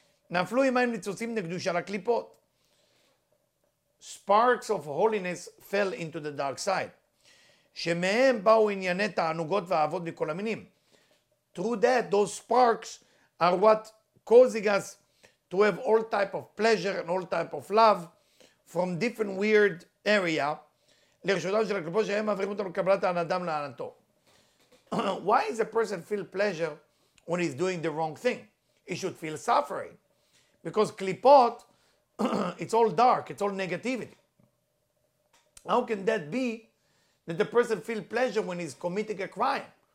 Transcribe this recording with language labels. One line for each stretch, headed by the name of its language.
Hebrew: Naflu imayim nitzosim nekdusha laklipot.
English: Sparks of holiness fell into the dark side.
Hebrew: שמהם באו ענייני תענוגות ואהבות מכל המינים.
English: Through that, those sparks are what causing us to have all type of pleasure and all type of love from different weird area.
Hebrew: לרשותם של הקליפות שהם מעבירים אותם לקבלת האדם לענתו.
English: Why does a person feel pleasure when he's doing the wrong thing? He should feel suffering. Because קליפות, it's all dark, it's all negativity. How can that be? That the person feels pleasure when he's committing a crime.